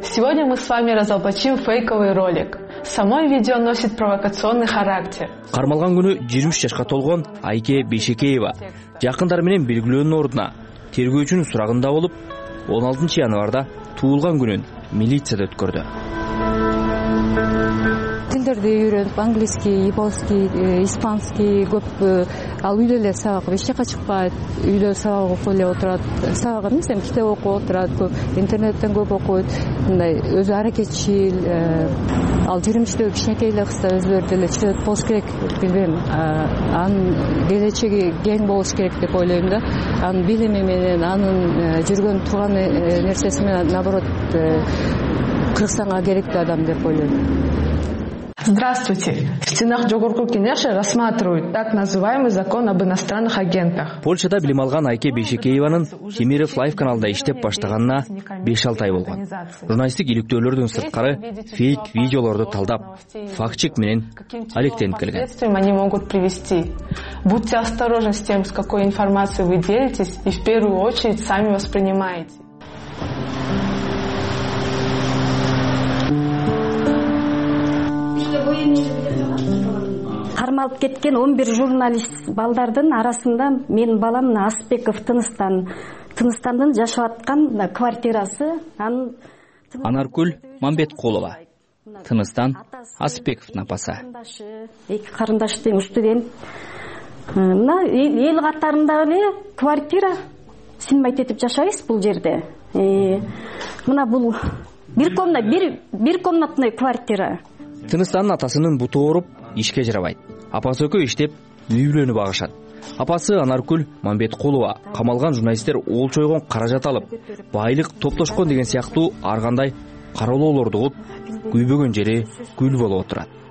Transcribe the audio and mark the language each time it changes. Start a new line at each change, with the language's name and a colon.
Russian: Сегодня мы с вами разоблачим фейковый ролик. Само видео носит провокационный характер.
Kyrgyz: Кармалган күнү 23 жашка толгон Айке Бишекеева жакындары менен белгилөөнүн ордуна тергөөчүнүн сурагында болуп 16 январда туулган күнүн милицияда өткөрдү. Тилдерди үйрөнүп,
Russian: английский, японский, испанский
Kyrgyz: көп ал үйдө эле сабак, эч жака чыкпайт, үйдө сабак окуп эле отурат. Сабак эмес, эми китеп окуп отурат, көп интернеттен көп окуйт. Мындай өзү аракетчил, ал 23 деп кичинекей эле кызда өзүлөрү деле чыгып болуш керек, билбейм. Анын келечеги кең болуш керек деп ойлойм да. Анын билими менен, анын жүргөн турган нерсеси менен наоборот кыргызстанга керектүү адам деп ойлойм.
Russian: Здравствуйте. В стенах жогорку кеңеши рассматривают так называемый закон об иностранных агентах.
Kyrgyz: Польшада билим алган Айке Бишекеевнин Темиров Лайф каналында иштеп баштаганына 5-6 ай болгон. Журналисттик иликтөөлөрдүн сырткары фейк видеолорду талдап, фактчик менен алектенип келген.
Russian: Они могут привести. Будьте осторожны с тем, с какой информацией вы делитесь и в первую очередь сами воспринимаете.
Kyrgyz: Кармалып кеткен 11 журналист балдардын арасында менин балам Асбеков Тыныстандын жашап аткан квартирасы Анаркүл Мамбетколова Тыныстан Асбековдун апасы. Эки карындаш тең студент. Мына эл катарында эле квартира синбайт этип жашайбыз бул жерде. Мына бул бир комнатный квартира. Тыныстанын атасынын буту ооруп ишке жарабайт. Апасы экөө иштеп үй бүлөнү багышат. Апасы Анаркүл Мамбетколова камалган журналисттер олчойгон каражат алып, байлык топтошкон деген сыяктуу ар кандай кароолоолорду кылып, күйбөгөн жери күл болуп отурат.